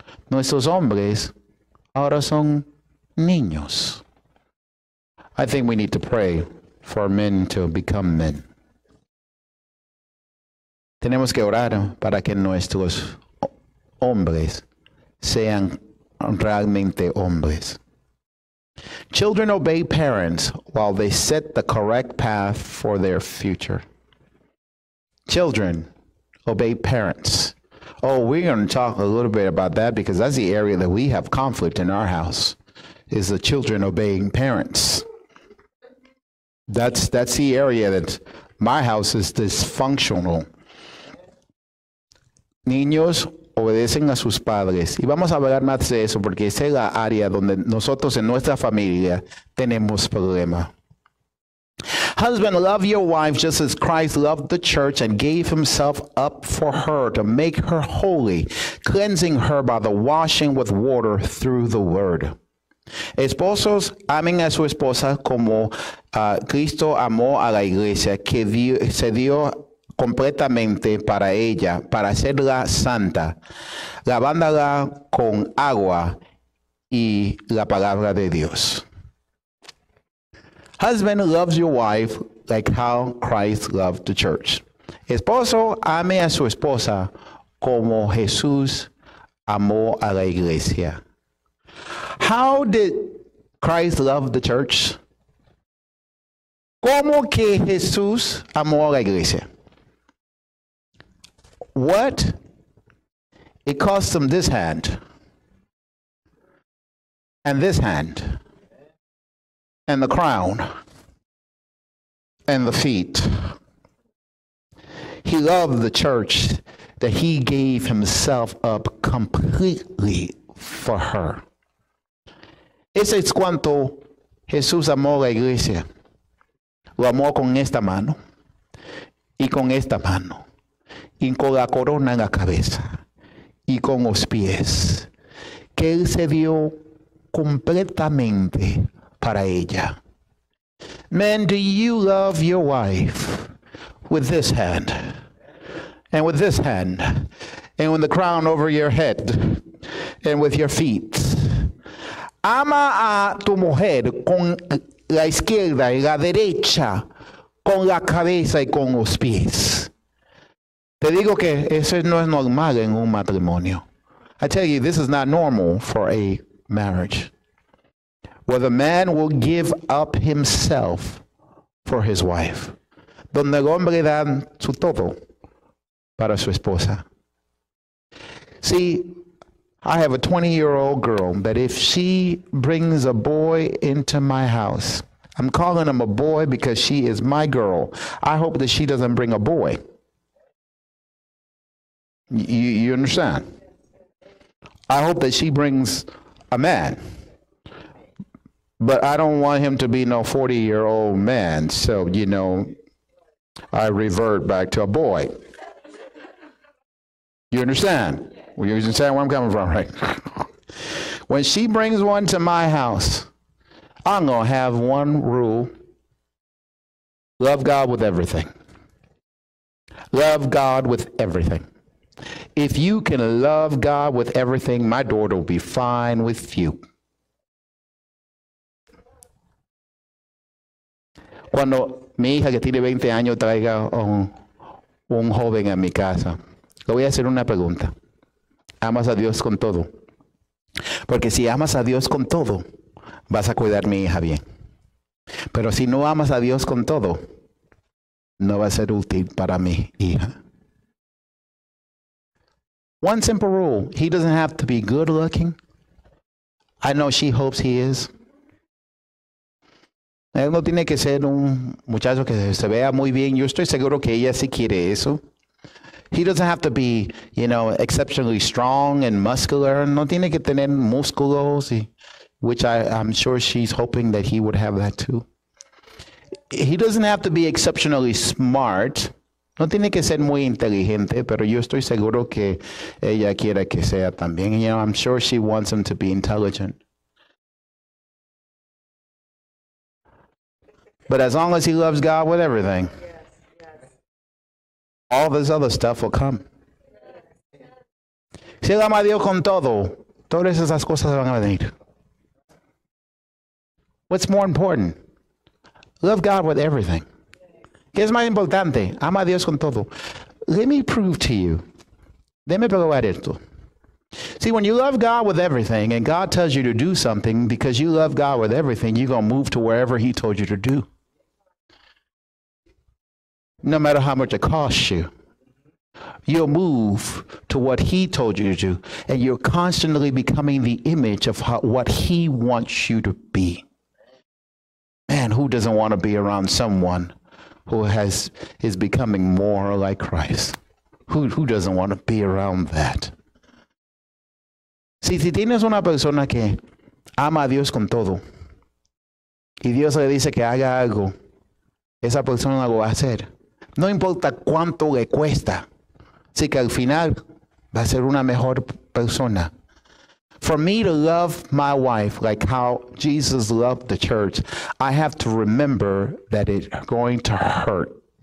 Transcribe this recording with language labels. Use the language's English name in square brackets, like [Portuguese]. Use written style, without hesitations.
[Spanish] Nuestros hombres ahora son niños. [English] I think we need to pray for men to become men. [Spanish] Tenemos que orar para que nuestros hombres sean realmente hombres. [English] Children obey parents while they set the correct path for their future. Children obey parents. Oh, we're going to talk a little bit about that because that's the area that we have conflict in our house, is the children obeying parents. That's the area that my house is dysfunctional. [Spanish] Niños obedecen a sus padres. Y vamos a hablar más de eso porque esa es la área donde nosotros en nuestra familia tenemos problema. [English] Husband, love your wife just as Christ loved the church and gave himself up for her to make her holy, cleansing her by the washing with water through the word. [Spanish] Esposos, amen a su esposa como Cristo amó a la iglesia, que se dio completamente para ella, para hacerla santa, lavándola con agua y la palabra de Dios. [English] Husband loves your wife like how Christ loved the church. [Spanish] Esposo, ame a su esposa como Jesús amó a la iglesia. [English] How did Christ love the church? [Spanish] ¿Cómo que Jesús amó a la iglesia? [English] What? It cost him this hand. And this hand. And the crown. And the feet. He loved the church that he gave himself up completely for her. [Spanish] Ese es cuanto Jesús amó a la iglesia. Lo amó con esta mano y con esta mano y con la corona en la cabeza y con los pies, que él se dio completamente para ella. [English] Men, do you love your wife with this hand and with this hand and with the crown over your head and with your feet? [Spanish] Ama a tu mujer con la izquierda y la derecha, con la cabeza y con los pies. Te digo que eso no es normal en un matrimonio. [English] I tell you, this is not normal for a marriage, where the man will give up himself for his wife. [Spanish] Donde el hombre da su todo para su esposa. [English] See, I have a 20-year-old girl that if she brings a boy into my house, I'm calling him a boy because she is my girl. I hope that she doesn't bring a boy. You understand? I hope that she brings a man. But I don't want him to be no 40-year-old man. So, you know, I revert back to a boy. You understand? Well, you understand where I'm coming from, right? When she brings one to my house, I'm going to have one rule. Love God with everything. Love God with everything. If you can love God with everything, my daughter will be fine with you. [Spanish] Cuando mi hija que tiene 20 años traiga un joven a mi casa, le voy a hacer una pregunta. ¿Amas a Dios con todo? Porque si amas a Dios con todo, vas a cuidar a mi hija bien. Pero si no amas a Dios con todo, no va a ser útil para mi hija. [English] One simple rule. He doesn't have to be good looking. I know she hopes he is. [Spanish] Él no tiene que ser un muchacho que se vea muy bien. Yo estoy seguro que ella sí quiere eso. [English] He doesn't have to be, you know, exceptionally strong and muscular. [Spanish] No tiene que tener músculos, [English] which I'm sure she's hoping that he would have that too. He doesn't have to be exceptionally smart. [Spanish] No tiene que ser muy inteligente, pero yo estoy seguro que ella quiera que sea también. [English] You know, I'm sure she wants him to be intelligent. But as long as he loves God with everything, all this other stuff will come. [Spanish] Si él ama a Dios con todo, todas esas cosas van a venir. [English] What's more important? Love God with everything. [Spanish] ¿Qué es más importante? Ama a Dios con todo. [English] Let me prove to you. [Spanish] Déjame probar esto. [English] See, when you love God with everything, and God tells you to do something, because you love God with everything, you're going to move to wherever he told you to do. No matter how much it costs you, you'll move to what he told you to do, and you're constantly becoming the image of what he wants you to be. Man, who doesn't want to be around someone who is becoming more like Christ? Who doesn't want to be around that? [Spanish] Si tienes una persona que ama a Dios con todo, y Dios le dice que haga algo, esa persona lo va a hacer. No importa cuánto le cuesta, así que al final va a ser una mejor persona. [English] For me to love my wife like how Jesus loved the church, I have to remember that it's going to hurt.